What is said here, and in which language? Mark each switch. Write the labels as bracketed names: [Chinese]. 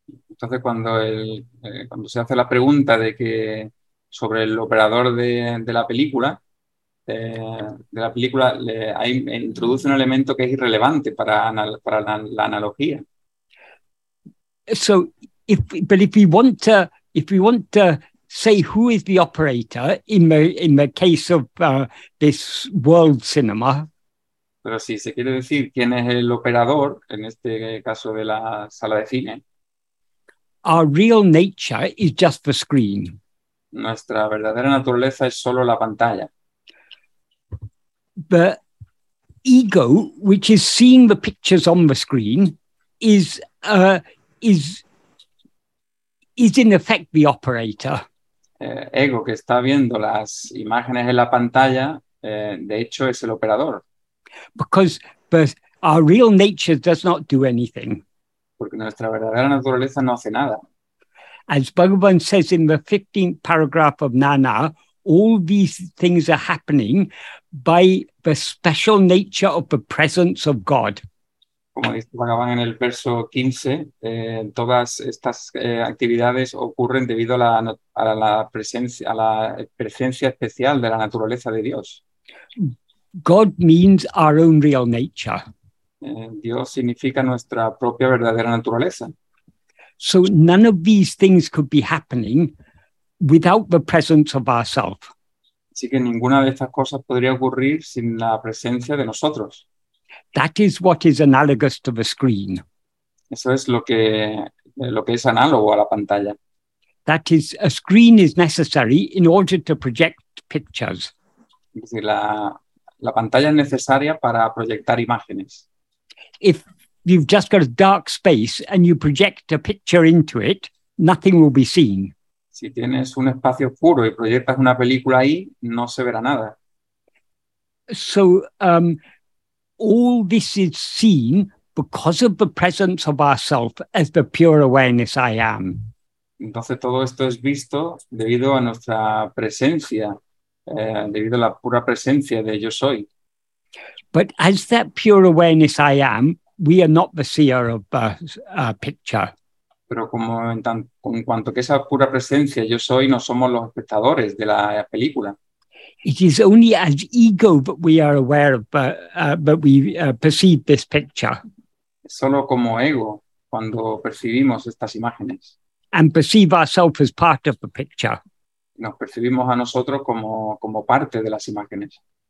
[Spanish] Entonces, cuando se hace la pregunta de que sobre el operador de la película. De la película introduce un elemento que es irrelevante para la analogía. [English] So if we want to say who is the operator in the case of this world cinema. [Spanish] Pero si se quiere decir quién es el operador en este caso de la sala de cine. [English] Our real nature is just the screen. [Spanish] Nuestra verdadera naturaleza es solo la pantalla. [English] The ego, which is seeing the pictures on the screen, is in effect the operator. [Spanish] Ego que está viendo las imágenes en la pantalla, de hecho es el operador. [English] Because our real nature does not do anything. [Spanish] Porque nuestra verdadera naturaleza no hace nada. [English] As Bhagavan says in the 15th paragraph of Nana, all these things are happening by the special nature of the presence of God. [Spanish] Como dice Bhagavan en el verso 15, todas estas actividades ocurren debido a la presencia especial de la naturaleza de Dios. [English] God means our own real nature. [Spanish] Dios significa nuestra propia verdadera naturaleza. [English] So none of these things could be happening without the presence of ourself. [Spanish] Así que ninguna de estas cosas podría ocurrir sin la presencia de nosotros. [English] That is what is analogous to the screen. [Spanish] Eso es lo que es análogo a la pantalla. [English] That is, a screen is necessary in order to project pictures. [Spanish] Es decir, la pantalla es necesaria para proyectar imágenes. [English] If you've just got a dark space and you project a picture into it, nothing will be seen. [Spanish] Si tienes un espacio oscuro y proyectas una película ahí, no se verá nada. [English] So, all this is seen because of the presence of ourself as the pure awareness I am. [Spanish] Entonces, todo esto es visto debido a nuestra presencia, debido a la pura presencia de yo soy. [English] But as that pure awareness I am, we are not the seer of the picture. [Spanish] Pero como en cuanto que esa pura presencia yo soy, no somos los espectadores de la película. [English] It is only as ego that we are aware of, but we perceive this picture. [Spanish] Solo como ego cuando percibimos estas imágenes. [English] And perceive ourselves as part of the picture. [Spanish] Nos percibimos a nosotros como parte de las imágenes.